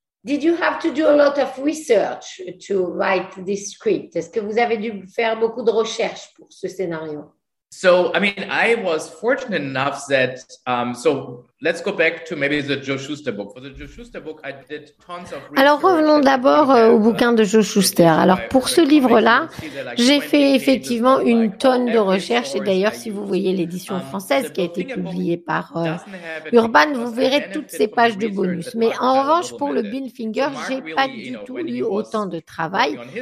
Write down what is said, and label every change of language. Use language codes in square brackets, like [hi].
[en] Did you have to do a lot of research to write this script? [fr] Est-ce que vous avez dû faire beaucoup de recherches pour ce scénario? [en] So, I mean, I was fortunate enough that, so let's go back to maybe the Joe Shuster book. For the Joe Shuster book, I did tons of research. [fr] Alors, revenons d'abord au bouquin de Joe Shuster. Alors, pour ce livre-là, j'ai fait effectivement une tonne de recherches. Et d'ailleurs, si vous voyez l'édition française qui a été publiée par Urban, vous verrez toutes ces pages de bonus. Mais en revanche, pour le Bill Finger, j'ai pas du tout eu autant de travail.